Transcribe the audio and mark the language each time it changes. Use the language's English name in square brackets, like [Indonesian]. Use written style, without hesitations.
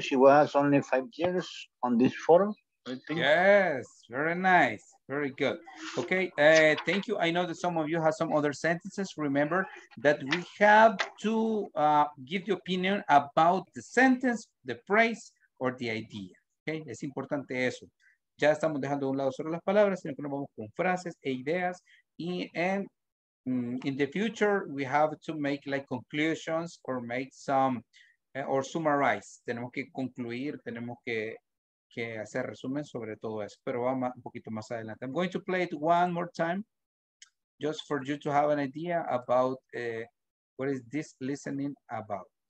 [English] She was only 5 years on this photo, I think. Yes, very nice. Very good. Okay, thank you. I know that some of you have some other sentences. Remember that we have to give the opinion about the sentence, the phrase, or the idea. [Spanish] Okay, es importante eso. Ya estamos dejando de un lado solo las palabras, sino que nos vamos con frases e ideas. [English] And in the future, we have to make like conclusions or make some, or summarize. [Spanish] Tenemos que concluir, tenemos que hacer resumen sobre todo eso. Pero vamos un poquito más adelante. [English] I'm going to play it one more time, just for you to have an idea about what is this listening about.